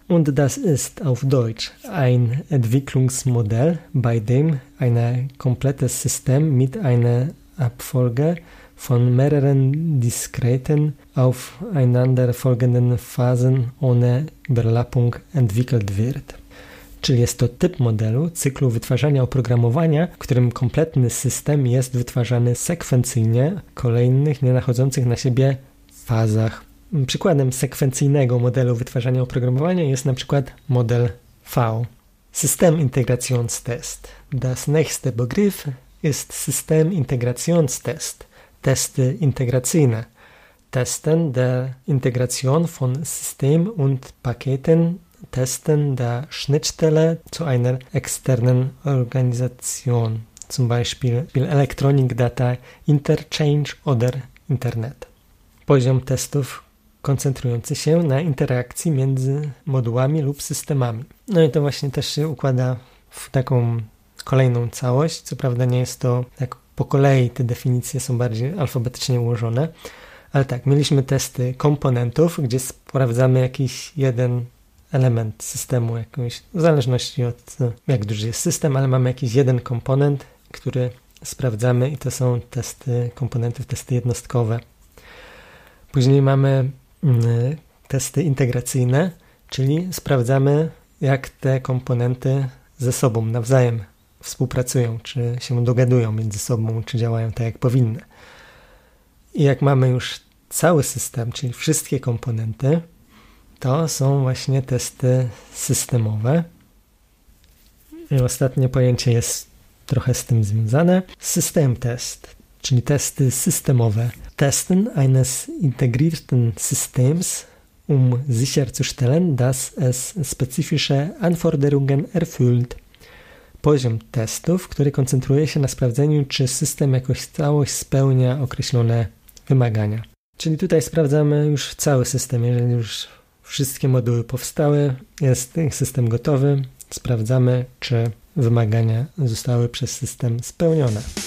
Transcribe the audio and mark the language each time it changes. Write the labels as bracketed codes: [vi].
[de] Und das ist auf Deutsch ein Entwicklungsmodell, bei dem ein komplettes System mit einer Abfolge von mehreren diskreten, aufeinander folgenden Phasen ohne Überlappung entwickelt wird. [pl] Czyli jest to typ modelu, cyklu wytwarzania oprogramowania, w którym kompletny system jest wytwarzany sekwencyjnie w kolejnych, nie nachodzących na siebie fazach. Przykładem sekwencyjnego modelu wytwarzania oprogramowania jest na przykład model V. [de] System Integrationstest. Das nächste Begriff ist System Integrationstest. [pl] Testy integracyjne. [de] Testen der Integration von System und Paketen. Testen der Schnittstelle zu einer externen Organisation, zum Beispiel Electronic Data Interchange oder Internet. [pl] Poziom testów koncentrujący się na interakcji między modułami lub systemami. No i to właśnie też się układa w taką kolejną całość, co prawda nie jest to jak po kolei, te definicje są bardziej alfabetycznie ułożone, ale tak, mieliśmy testy komponentów, gdzie sprawdzamy jakiś jeden element systemu jakąś, w zależności od jak duży jest system, ale mamy jakiś jeden komponent, który sprawdzamy i to są testy komponentów, testy jednostkowe. Później mamy testy integracyjne, czyli sprawdzamy jak te komponenty ze sobą nawzajem współpracują, czy się dogadują między sobą, czy działają tak jak powinny. I jak mamy już cały system, czyli wszystkie komponenty, to są właśnie testy systemowe. I ostatnie pojęcie jest trochę z tym związane. System test, czyli testy systemowe. [de] Testen eines integrierten Systems, sicherzustellen, dass es spezifische Anforderungen erfüllt. [pl] Poziom testów, który koncentruje się na sprawdzeniu, czy system jakoś całość spełnia określone wymagania. Czyli tutaj sprawdzamy już cały system, jeżeli już wszystkie moduły powstały, jest system gotowy. Sprawdzamy, czy wymagania zostały przez system spełnione.